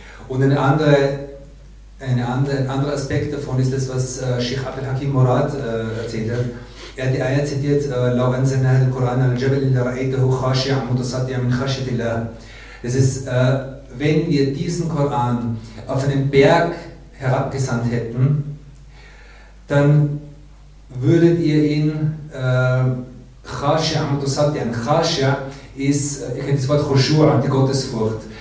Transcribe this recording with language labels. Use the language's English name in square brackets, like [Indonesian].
[German] Und ein anderer Aspekt davon ist das, was Sheikh Abdul Hakim Murad erzählt hat. Er hat die Ayah zitiert, [Arabic] لَوْ أَنزَلْنَا هَذَا الْقُرْآنَ عَلَى جَبَلٍ لَرَأَيْتَهُ خَاشِعًا مُتَصَدِّعًا مِنْ خَشْيَةِ اللَّهِ. [German] Das ist, wenn wir diesen Koran auf einem Berg herabgesandt hätten, dann würdet ihr ihn Khashia Mutusatian. Khashia ist, ihr kennt das Wort Khushu'a, die Gottesfurcht.